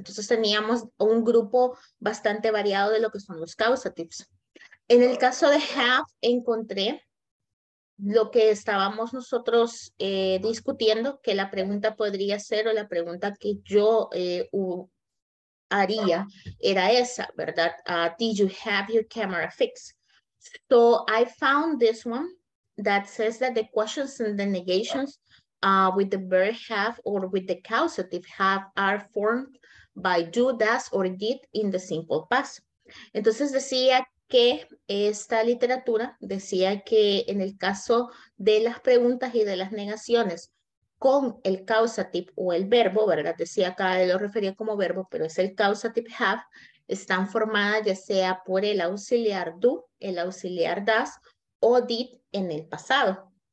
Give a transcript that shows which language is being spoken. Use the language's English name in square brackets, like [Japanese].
[Spanish] Entonces teníamos un grupo bastante variado de lo que son los causatives. En el caso de have, encontré lo que estábamos nosotros discutiendo, que la pregunta podría ser o la pregunta que yo haría era esa, ¿verdad? [English] Did you have your camera fixed? So I found this one that says that the questions and the negations with the verb have or with the causative have are formed by do, does, or did in the simple past. [Spanish] Entonces decía que esta literatura decía que en el caso de las preguntas y de las negaciones con el causative o el verbo, ¿verdad? Decía acá, lo refería como verbo, pero es el causative have, están formadas ya sea por el auxiliar do, el auxiliar does o did en el pasado.